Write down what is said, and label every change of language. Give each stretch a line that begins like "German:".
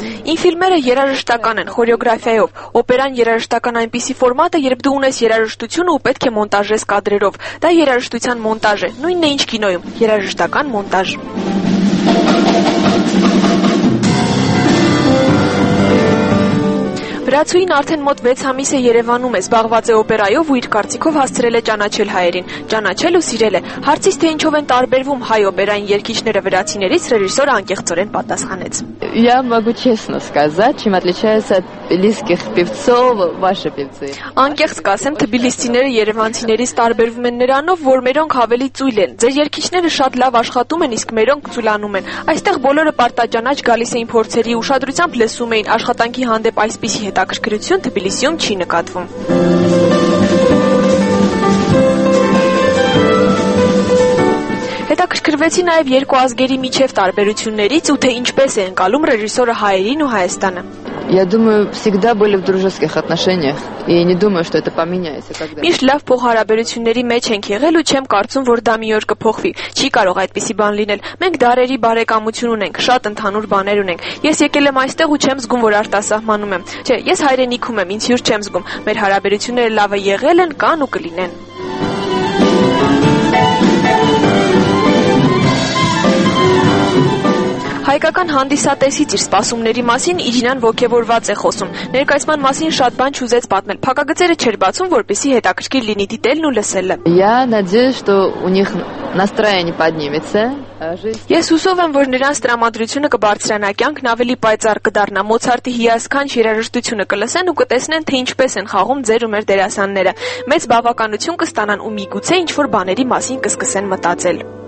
Armenian: Ին ֆիլմերը երաժշտական են, խորեոգրաֆիայով։ Օպերան երաժշտական այնպիսի ֆորմատ է, երբ դու ունես երաժշտություն ու պետք է մոնտաժես կադրերով։ Դա երաժշտության մոնտաժ է, նույնն է ինչ կինոյում՝ երաժշտական մոնտաժ։ Վրացուին արդեն մոտ 6 ամիս է Երևանում է, զբաղված է օպերայով ու իր կարծիքով հասցրել է ճանաչել հայերին, ճանաչել ու սիրել է։ Հարցից թե ինչով են տարբերվում հայ օպերային երգիչները վրացիներից, ռեժիսորը անկեղծորեն պատասխանեց.
Russian: Я могу честно сказать, чем отличаются тбилисских певцов ваши певцы.
Armenian: Անկեղծ կասեմ, թբիլիսիները երևանցիներից տարբերվում են նրանով, որ մերոնք ավելի ծույլ են։ Ձեր երգիչները շատ լավ աշխատում են, իսկ մերոնք ծուլանում են։ Այստեղ բոլորը պարտաճանաչ գալիս էին փորձերի, ուշադրությամբ լսում էին աշխատանքի հանդեպ այսպիսի հետաքրքրություն Թբիլիսիում չի նկատվում։ Հետաքրքրվեցի նաև երկու ազգերի միջև տարբերություններից ու թե ինչպես է ընկալում ռեժիսորը հայերին ու Հայաստանը։
Russian: Я думаю, всегда были в дружеских отношениях, и не думаю, что это поменяется когда-нибудь.
Armenian: Միշտ լավ փոխհարաբերությունների մեջ ենք եղել ու չեմ կարծում, որ դա մի օր կփոխվի։ Չի կարող այդպիսի բան լինել։ Մենք դարերի բարեկամություն ունենք, շատ ընդհանուր բաներ ունենք։ Ես եկել եմ այստեղ ու չեմ զգում, որ արտասահմանում եմ։ Չէ, ես հայրենիքում եմ, ինձ հյուր չեմ զգում։ Մեր հարաբերությունները լավը եղել են, կան ու կլինեն։ Հայկական հանդիսատեսից իր սպասումների մասին Իրինան ոգևորված է խոսում։ Ներկայացման մասին շատ բան չուզեց պատմել։ Փակագծերը չէր բացում, որպեսի հետաքրքիր լինի դիտելն ու լսելը։
Russian: Я надеюсь, что у них настроение поднимется.
Armenian: Ես հուսով եմ, որ նրանց տրամադրությունը կբարձրանա, կյանքն ավելի պայծառ կդառնա, Մոցարտի հիասքանչ երաժշտությունը կլսեն ու կտեսնեն, թե ինչպես են խաղում ձեր ու մեր դերասանները։ Մեծ բավականություն կստանան ու միգուցե ինչ-որ բաների մասին կսկսեն մտածել։